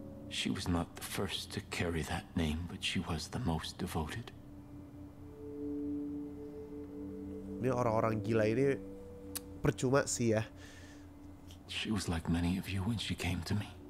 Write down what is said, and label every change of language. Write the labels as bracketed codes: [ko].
[en] She was not the first to carry that name, but she was the most devoted. [id] Ini orang-orang gila ini percuma sih ya. [en] She was like many of you when she came to me.